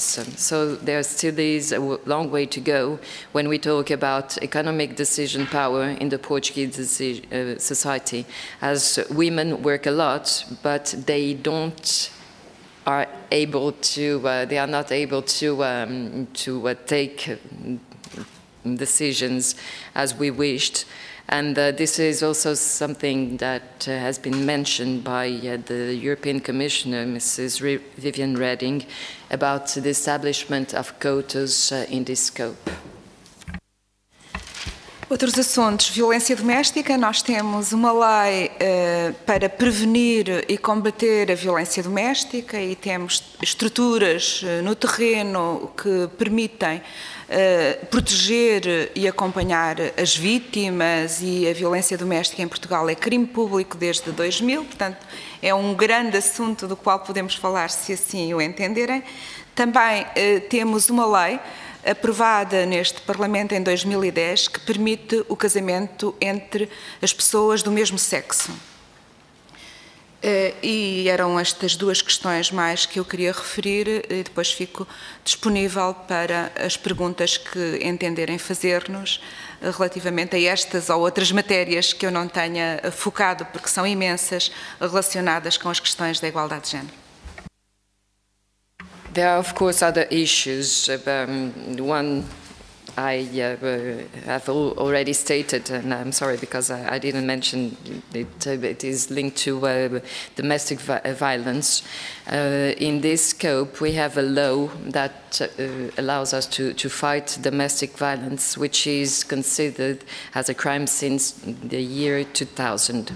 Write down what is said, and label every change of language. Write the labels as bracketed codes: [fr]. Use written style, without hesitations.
[en] So there still is a long way to go when we talk about economic decision power in the Portuguese society, as women work a lot, but they are not able to take decisions as we wished. And this is also something that has been mentioned by the European Commissioner, Mrs. Viviane Reding, about the establishment of quotas in this scope. [pt] Outros assuntos. Violência doméstica. Nós temos uma lei para prevenir e combater a violência doméstica e temos estruturas no terreno que permitem proteger e acompanhar as vítimas e a violência doméstica em Portugal é crime público desde 2000, portanto é um grande assunto do qual podemos falar se assim o entenderem. Também temos uma lei aprovada neste Parlamento em 2010 que permite o casamento entre as pessoas do mesmo sexo. E eram estas duas questões mais que eu queria referir e depois fico disponível para as perguntas que entenderem fazer-nos relativamente a estas ou outras matérias que eu não tenha focado, porque são imensas, relacionadas com as questões da igualdade de género. [en] There are, of course, other issues. One I have already stated, and I'm sorry because I didn't mention it, it is linked to domestic violence. In this scope, we have a law that allows us to fight domestic violence, which is considered as a crime since the year 2000.